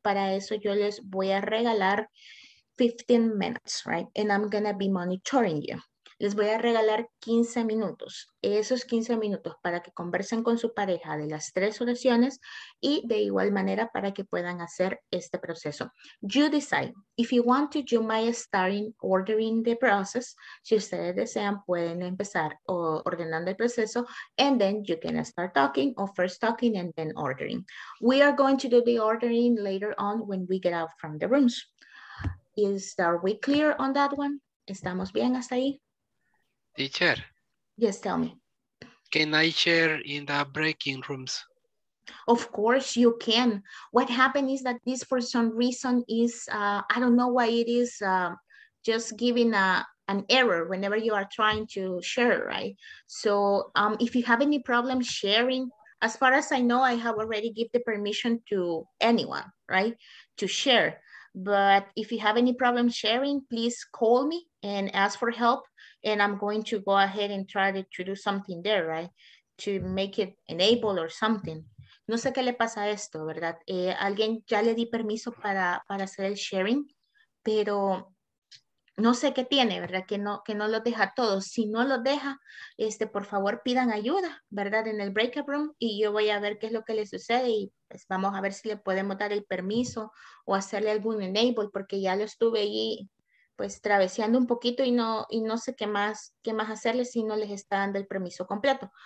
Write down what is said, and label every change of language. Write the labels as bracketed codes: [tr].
[es] Para eso yo les voy a regalar 15 [en] minutes, right? And I'm going to be monitoring you. [es] Les voy a regalar 15 minutos, esos 15 minutos para que conversen con su pareja de las 3 oraciones y de igual manera para que puedan hacer este proceso. [en] You decide. If you want to, you might start in ordering the process. [es] Si ustedes desean, pueden empezar ordenando el proceso [en] and then you can start talking or first talking and then ordering. We are going to do the ordering later on when we get out from the rooms. Are we clear on that one? [es] ¿Estamos bien hasta ahí? [en] Teacher. Yes, tell me. Can I share in the breaking rooms? Of course you can. What happened is that this for some reason is, I don't know why it is just giving an error whenever you are trying to share, right? So if you have any problem sharing, as far as I know, I have already given the permission to anyone, right, to share. But if you have any problem sharing, please call me and ask for help. And I'm going to go ahead and try to do something there, right? To make it enable or something. [es] No sé qué le pasa a esto, ¿verdad? Alguien ya le di permiso para hacer el sharing, pero no sé qué tiene, ¿verdad? Que no lo deja todo. Si no lo deja, por favor pidan ayuda, ¿verdad? En el breakout room y yo voy a ver qué es lo que le sucede y pues vamos a ver si le podemos dar el permiso o hacerle algún enable porque ya lo estuve ahí pues traveseando un poquito y no sé qué más hacerles si no les está dando el permiso completo.